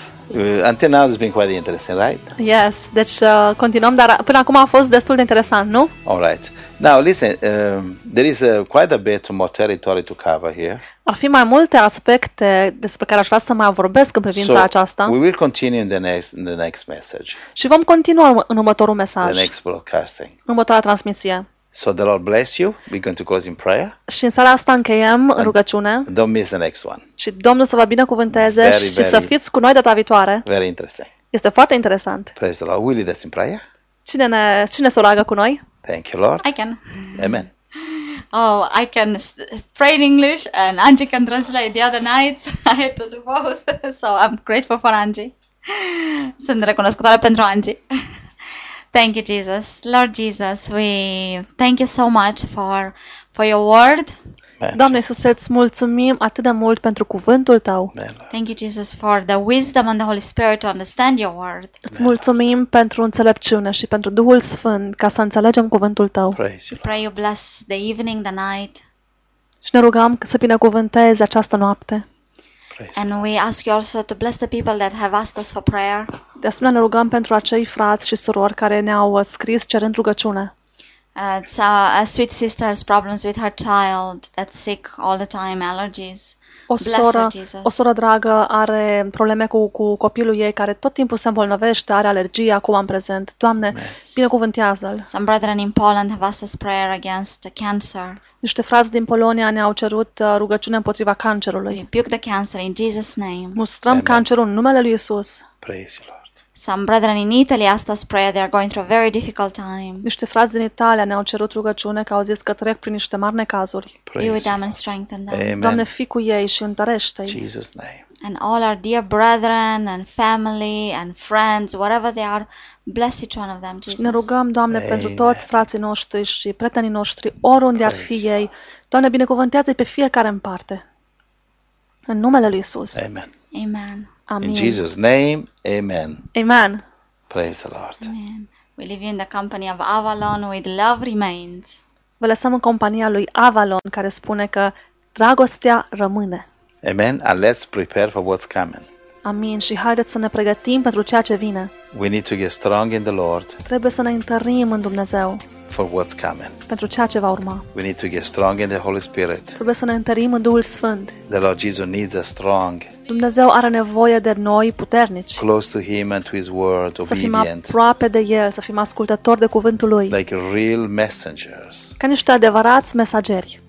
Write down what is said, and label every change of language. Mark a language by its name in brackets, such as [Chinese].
[English] Until now it's been quite interesting, right? Yes. [Romanian] Deci continuăm, dar până acum a fost destul de interesant, nu? [English] All right. Now listen, there is quite a bit more territory to cover here. [Romanian] Ar fi mai multe aspecte despre care aș vrea să mai vorbesc în privința aceasta. [English] So we will continue in the next message. [Romanian] Și vom continua în următorul mesaj. [English] The next broadcasting. [Romanian] Următoarea transmisie. [English] So the Lord bless you. We're going to close in prayer. [Romanian] Și în seara asta încheiem în rugăciune. [English] Don't miss the next one. [Romanian] Și Domnul să vă binecuvânteze și să fiți cu noi data viitoare. [English] Very interesting. [Romanian] Este foarte interesant. [English] Praise the Lord. Will you lead us in prayer? [Romanian] Cine s-o roagă cu noi? [English] Thank you, Lord. I can. Amen. Oh, I can pray in English and Angie can translate. The other night I had to do both. So I'm grateful for Angie. [Romanian] Sunt recunoscătoare pentru Angie. [English] Thank you, Jesus. Lord Jesus, we thank you so much for your word. [Romanian] Doamne Iisus, îți mulțumim atât de mult pentru cuvântul tău. [English] Thank you, Jesus, for the wisdom and the Holy Spirit to understand your word. [Romanian] Îți mulțumim pentru înțelepciune și pentru Duhul Sfânt ca să înțelegem cuvântul tău. [English] Praise. We pray you bless the evening, the night. [Romanian] Și ne rugăm să binecuvântezi această noapte. [English] And we ask you also to bless the people that have asked us for prayer. [Romanian] De asemenea, ne rugăm pentru acei frați și surori care ne-au scris cerând rugăciune. [English] It's a sweet sister's problems with her child that's sick all the time, allergies. [Romanian] O soră dragă are probleme cu copilul ei care tot timpul se îmbolnăvește, are alergii acum în prezent. Doamne, binecuvântează-l. [English] Some brethren in Poland have asked us prayer against cancer. [Romanian] Niște frați din Polonia ne-au cerut rugăciune împotriva cancerului. [English] We rebuke the cancer in Jesus' name. [Romanian] Mustrăm cancerul în numele lui Isus. [English] Praise the Lord. Some brethren in Italy asked us prayer. They are going through a very difficult time. [Romanian] Niște frați din Italia ne-au cerut rugăciune că au zis că trec prin niște mari necazuri. [English] Be with them and strengthen them. Amen. [Romanian] Doamne, fii cu ei și întărește-i. [English] Jesus' name. And all our dear brethren and family and friends, whatever they are, bless each one of them, Jesus. [Romanian] Ne rugăm, Doamne, pentru toți frații noștri și prietenii noștri, oriunde ar fi ei. Doamne, binecuvântează-i pe fiecare în parte. În numele lui Isus. [English] Amen. Amen. In Jesus' name, amen. Amen. Praise the Lord. Amen. We live in the company of Avalon with love remains. [Romanian] Vă lăsăm în compania lui Avalon, care spune că dragostea rămâne. [English] Amen. And let's prepare for what's coming. [Romanian] Amin. Și haideți să ne pregătim pentru ceea ce vine. [English] We need to get strong in the Lord. [Romanian] Trebuie să ne întărim în Dumnezeu. [English] For what's coming. [Romanian] Pentru ceea ce va urma. [English] We need to get strong in the Holy Spirit. [Romanian] Trebuie să ne întărim în Duhul Sfânt. [English] The Lord Jesus needs us strong. [Romanian] Dumnezeu are nevoie de noi puternici. [English] Close to Him and to His Word, obedient. [Romanian] Să fim aproape de El, să fim ascultători de cuvântul Lui. [English] Like real messengers. [Romanian] Ca niște adevărați mesageri.